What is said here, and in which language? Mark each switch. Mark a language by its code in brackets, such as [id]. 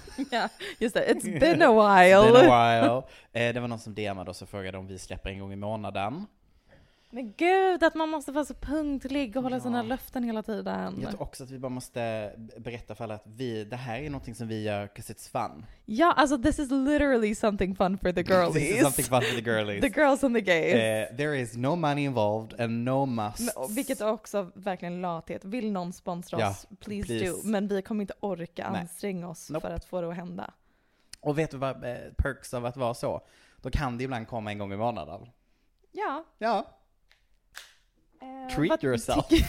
[sv] Ja, just det, [en] it's been a while. Been a while. [sv] Det var någon som DM'ade oss och frågade om vi släpper en gång i månaden. Men gud, att man måste vara så punktlig och hålla sina löften hela tiden. Jag tror också att vi bara måste berätta för alla att vi, det här är någonting som vi gör [en] because it's fun. [sv] Ja, alltså [en] this is literally something fun for the girlies. This is something fun for the girlies. The girls and the gays. There is no money involved and no musts. [sv] Men, vilket också verkligen lathet. Vill någon sponsra oss, [en] please do. [sv] Men vi kommer inte orka anstränga oss för att få det att hända. Och vet du vad perks av att vara så? Då kan det ibland komma en gång i månaden. Ja. [en] Ja. Treat yourself.